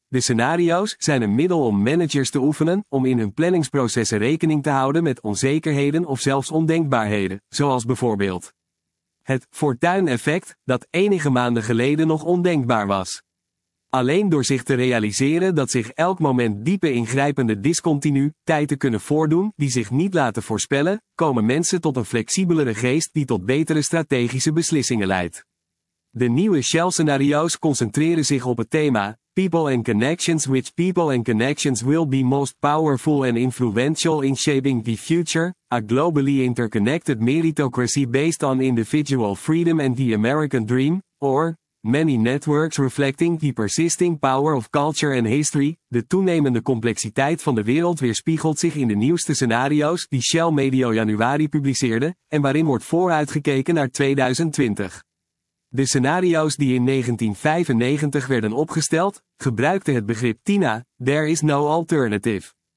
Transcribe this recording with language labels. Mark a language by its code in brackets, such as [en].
[nl] De scenario's zijn een middel om managers te oefenen om in hun planningsprocessen rekening te houden met onzekerheden of zelfs ondenkbaarheden, zoals bijvoorbeeld het fortuineffect dat enige maanden geleden nog ondenkbaar was. Alleen door zich te realiseren dat zich elk moment diepe ingrijpende discontinuïteiten kunnen voordoen die zich niet laten voorspellen, komen mensen tot een flexibelere geest die tot betere strategische beslissingen leidt. De nieuwe Shell-scenario's concentreren zich op het thema [en] People and Connections, which people and connections will be most powerful and influential in shaping the future, a globally interconnected meritocracy based on individual freedom and the American dream, or many networks reflecting the persisting power of culture and history. [nl] De toenemende complexiteit van de wereld weerspiegelt zich in de nieuwste scenario's die Shell medio januari publiceerde, en waarin wordt vooruitgekeken naar 2020. De scenario's die in 1995 werden opgesteld, gebruikten het begrip TINA, [en] There is no alternative.